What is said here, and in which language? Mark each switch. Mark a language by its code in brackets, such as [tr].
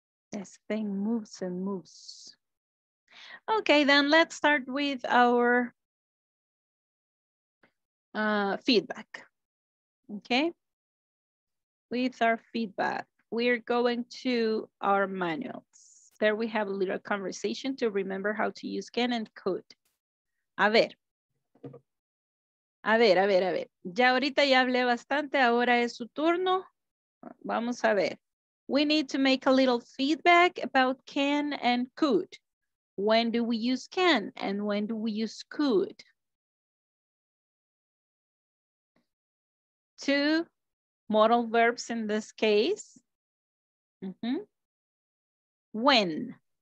[en] This thing moves and moves. Okay, then let's start with our feedback. Okay. With our feedback, we're going to our manuals. There we have a little conversation to remember how to use can and could. [es] A ver. A ver, a ver, a ver. Ya ahorita ya hablé bastante, ahora es su turno. Vamos a ver. [en] We need to make a little feedback about can and could. When do we use can and when do we use could? Two modal verbs in this case. Mm-hmm. When?